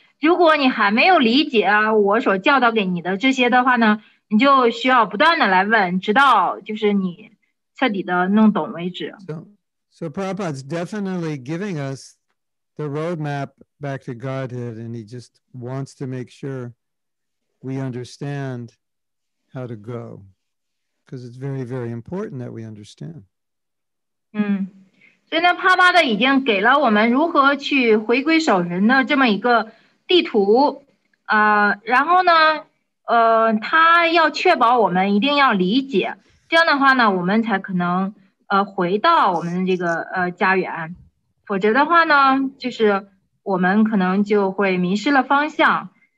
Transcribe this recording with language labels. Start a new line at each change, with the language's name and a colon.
Chinese: 如果你还没有理解我所教导给你的这些的话呢，你就需要不断的来问，直到就是你彻底的弄懂为止。
English: So Prabhupada's definitely giving us the roadmap back to Godhead, and he just wants to make sure we understand how to go, because it's very, very important that we understand.
Chinese: 所以呢，帕巴的已经给了我们如何去回归守神的这么一个。地图，然后呢，他要确保我们一定要理解，这样的话呢，我们才可能回到我们的这个家园，否则的话呢，就是我们可能就会迷失了方向。